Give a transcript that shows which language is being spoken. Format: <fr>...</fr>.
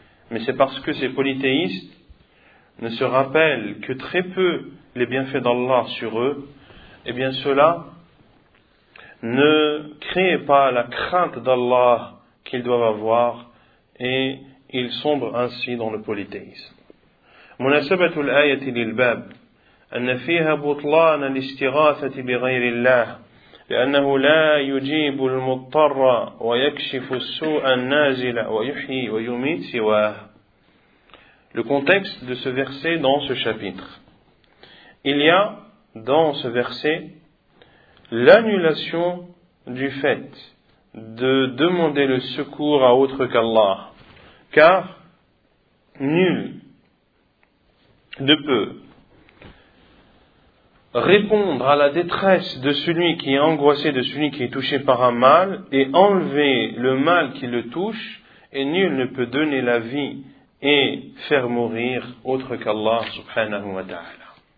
<fr>Mais c'est parce que ces polythéistes ne se rappellent que très peu les bienfaits d'Allah sur eux, et bien cela ne crée pas la crainte d'Allah qu'ils doivent avoir, et ils sombrent ainsi dans le polythéisme.</fr> <ar>مناسبة الآية للباب أن فيها بطلان الاستغاثة بغير الله لأنه لا يجيب المضطر ويكشف السوء النازل ويحيي ويميت سواه.</ar> <fr>Le contexte de ce verset dans ce chapitre. Il y a dans ce verset l'annulation du fait de demander le secours à autre qu'Allah, car nul ne peut répondre à la détresse de celui qui est angoissé, de celui qui est touché par un mal, et enlever le mal qui le touche, et nul ne peut donner la vie et faire mourir autre qu'Allah subhanahu wa ta'ala.</fr>